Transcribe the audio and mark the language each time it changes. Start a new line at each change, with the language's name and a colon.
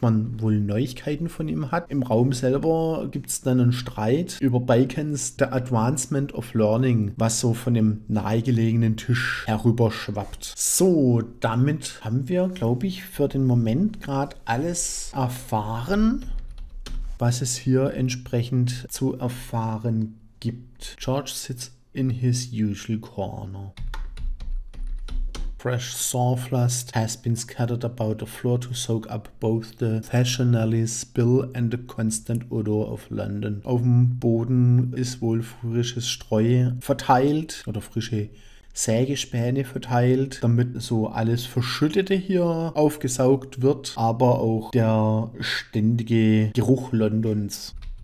German: Man wohl Neuigkeiten von ihm hat. Im Raum selber gibt es dann einen Streit über Bacon's The Advancement of Learning, was so von dem nahegelegenen Tisch herüberschwappt. So, damit haben wir, glaube ich, für den Moment gerade alles erfahren, was es hier entsprechend zu erfahren gibt.
English: George
German: sitzt
English: in his usual corner. Fresh sawflust has been scattered about the floor to soak up both the fashionably spill and the constant odor of London.
German: Auf dem Boden ist wohl frisches Streu verteilt oder frische Sägespäne verteilt, damit so alles Verschüttete hier aufgesaugt wird, aber auch der ständige Geruch Londons.